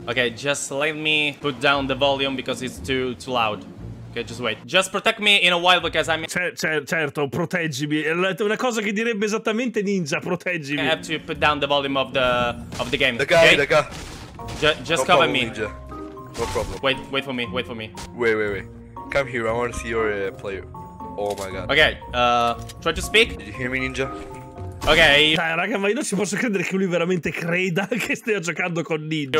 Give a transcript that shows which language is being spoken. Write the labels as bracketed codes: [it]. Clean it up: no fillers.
[en] Okay. Just let me put down the volume because it's too loud. Okay, just wait. Just protect me in a while because I'm... [it] Certo, proteggimi. È una cosa che direbbe esattamente Ninja, proteggimi. [en] I have to put down the volume of the game. The guy, okay? Just no cover problem, me. Ninja. No problem. Wait for me. Wait. Come here, I want to see your player. Oh my god. Okay, try to speak. Did you hear me, Ninja? Ok. [it] Dai, raga, ma io non ci posso credere che lui veramente creda che stia giocando con Ninja.